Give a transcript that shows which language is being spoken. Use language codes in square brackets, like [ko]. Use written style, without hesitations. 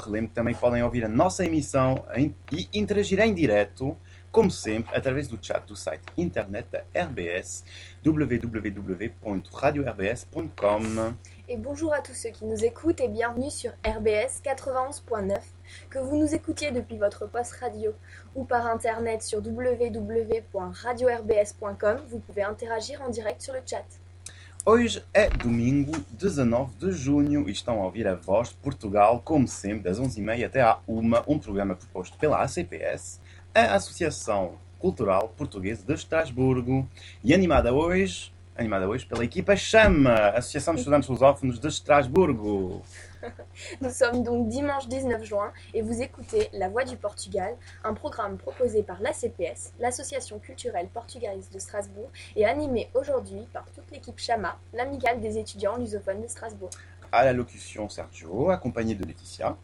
[pt] Relembro que também podem ouvir a nossa emissão e interagir em direto, como sempre, através do chat do site internet da RBS, www.radiorbs.com. [fr] Et bonjour à tous ceux qui nous écoutent et bienvenue sur RBS 91.9, que vous nous écoutiez depuis votre poste radio ou par internet sur www.radiorbs.com, vous pouvez interagir en direct sur le chat. [pt] Hoje é domingo, 19 de junho, e estão a ouvir a Voz de Portugal, como sempre, das 11h30 até à 1h, um programa proposto pela ACPS, a Associação Cultural Portuguesa de Estrasburgo, e animada hoje pela equipa Chama, Associação de Estudantes Lusófonos de Estrasburgo. [fr] Nous sommes donc dimanche 19 juin et vous écoutez La Voix du Portugal, un programme proposé par l'ACPS, l'Association culturelle portugaise de Strasbourg, et animé aujourd'hui par toute l'équipe Chama, l'amicale des étudiants lusophones de Strasbourg. À la locution, Sergio, accompagné de Laetitia.